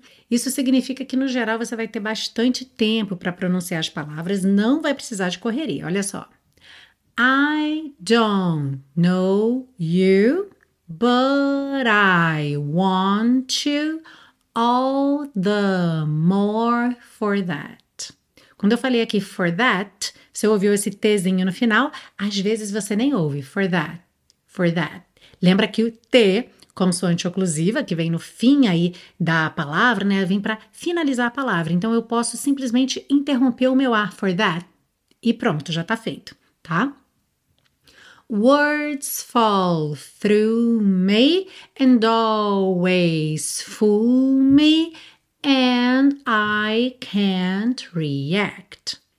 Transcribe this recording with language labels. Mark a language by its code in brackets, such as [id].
[pt] Isso significa que, no geral, você vai ter bastante tempo para pronunciar as palavras, não vai precisar de correria. Olha só. [en] I don't know you, but I want you all the more for that. [pt] Quando eu falei aqui for that, você ouviu esse Tzinho no final? Às vezes você nem ouve. For that. For that. Lembra que o T, consoante oclusiva, que vem no fim aí da palavra, né? Vem para finalizar a palavra. Então, eu posso simplesmente interromper o meu A. For that. E pronto, já tá feito. Tá? [en] Words fall through me and always fool me and I can't react.